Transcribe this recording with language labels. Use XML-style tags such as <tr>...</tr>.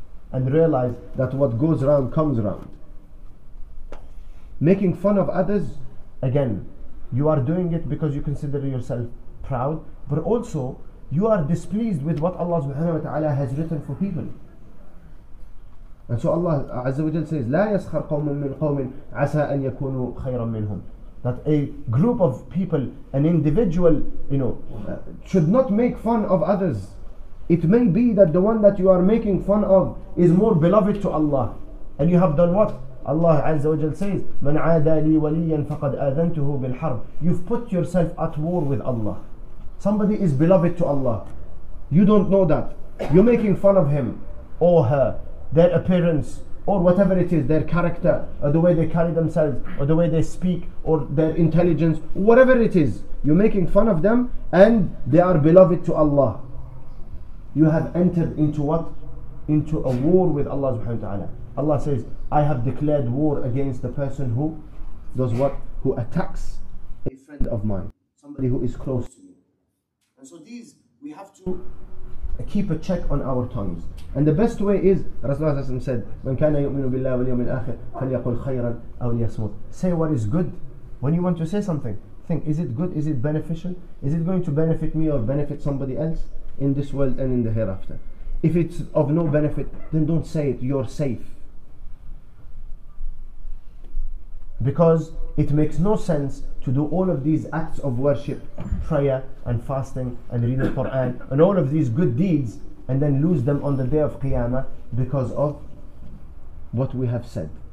<en>And realize that what goes around comes around. Making fun of others, again, you are doing it because you consider yourself proud, but also you are displeased with what Allah subhanahu wa ta'ala has written for people. And so Allah Azza wa Jalla says,</en> <ar>لا يسخر قوم من قوم عسى أن يكونوا خيرا منهم.</ar> <en>That a group of people, an individual, you know, should not make fun of others. It may be that the one that you are making fun of is more beloved to Allah. And you have done what? Allah Azza wa Jalla says,</en> <ar>من عادى لي وليا فقد آذنته بالحرب.</ar> <en>You've put yourself at war with Allah. Somebody is beloved to Allah. You don't know that. You're making fun of him or her, their appearance, or whatever it is, their character, or the way they carry themselves, or the way they speak, or their intelligence, whatever it is, you're making fun of them, and they are beloved to Allah. You have entered into what? Into a war with Allah subhanahu wa ta'ala. Allah says, I have declared war against the person who does what? Who attacks a friend of mine, somebody who is close to me. And so these, we have to keep a check on our tongues. And the best way is, Rasulullah said,</en> <ar>من كان يؤمن بالله واليوم الآخر فليقل خيرا أو ليصمت.</ar> <en>Say what is good. When you want to say something, think, is it good? Is it beneficial? Is it going to benefit me or benefit somebody else in this world and in the hereafter? If it's of no benefit, then don't say it. You're safe. Because it makes no sense to do all of these acts of worship, prayer and fasting and reading the Quran and all of these good deeds and then lose them on the day of Qiyamah because of what we have said.</en>